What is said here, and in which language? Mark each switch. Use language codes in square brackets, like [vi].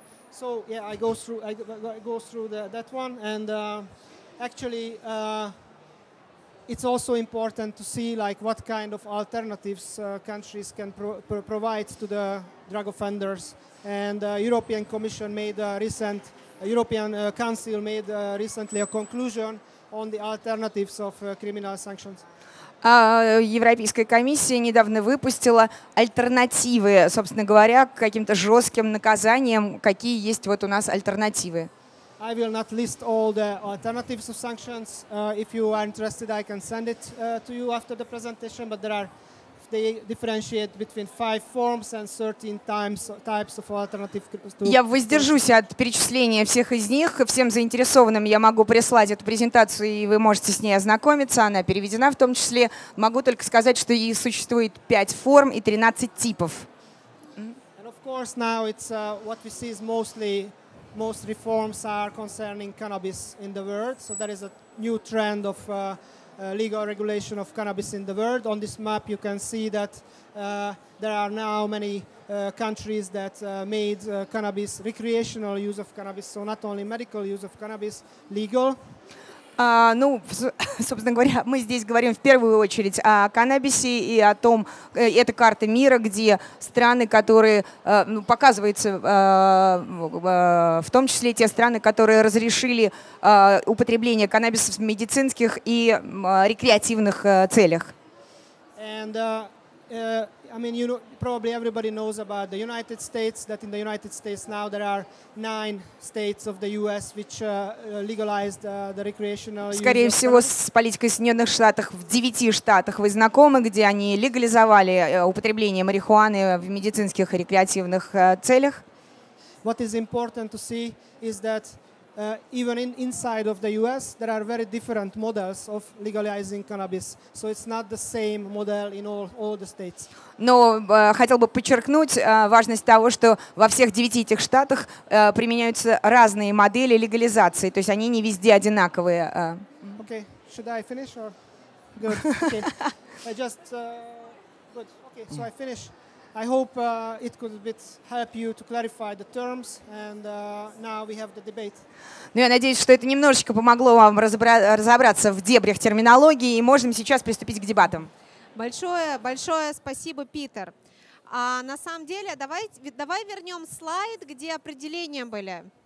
[en] So yeah, I go through that one, and actually, it's also important to see like what kind of alternatives countries can provide to the drug offenders. And European Commission made a recent European Council made recently a conclusion on the alternatives of criminal sanctions. [ru] Европейская комиссия недавно выпустила альтернативы, собственно говоря, к каким-то жестким наказаниям, какие есть вот у нас альтернативы. [en] I will not list all the alternatives of sanctions. If you are interested, I can send it to you after the presentation, but there are they differentiate between 5 forms and 13 types of alternative. [ru] Я воздержусь от перечисления всех из них. Всем заинтересованным я могу прислать эту презентацию, и вы можете с ней ознакомиться. Она переведена в том числе. Могу только сказать, что ей существует 5 форм и 13 типов. [en] And of course now it's what we see is mostly most reforms are concerning cannabis in the world. So there is a new trend of legal regulation of cannabis in the world. On this map you can see that there are now many countries that made cannabis, recreational use of cannabis, so not only medical use of cannabis, legal. [ru] Ну, собственно говоря, мы здесь говорим в первую очередь о каннабисе и о том, это карта мира, где страны, которые, ну, показываются, в том числе те страны, которые разрешили употребление каннабиса в медицинских и рекреативных целях. [en] And, I mean, you know, probably everybody knows about the United States, that in the United States now there are 9 states of the U.S. which legalized the recreational use. [ru] Скорее всего, с политикой Соединенных Штатов в 9 штатах вы знакомы, где они легализовали употребление марихуаны в медицинских и рекреативных целях. [en] What is important to see is that even inside of the U.S. there are very different models of legalizing cannabis, so it's not the same model in all the states. [ru] Но хотел бы подчеркнуть важность того, что во всех 9 этих штатах применяются разные модели легализации, то есть они не везде одинаковые. [en] Okay, should I finish or good? Okay, I just good. Okay, so I finish. I hope it could a bit help you to clarify the terms, and now we have the debate. [ru] Ну, я надеюсь, что это немножечко помогло вам разобраться в дебрях терминологии, и можем сейчас приступить к дебатам. Большое спасибо, Питер. А на самом деле, давай вернем слайд, где определения были.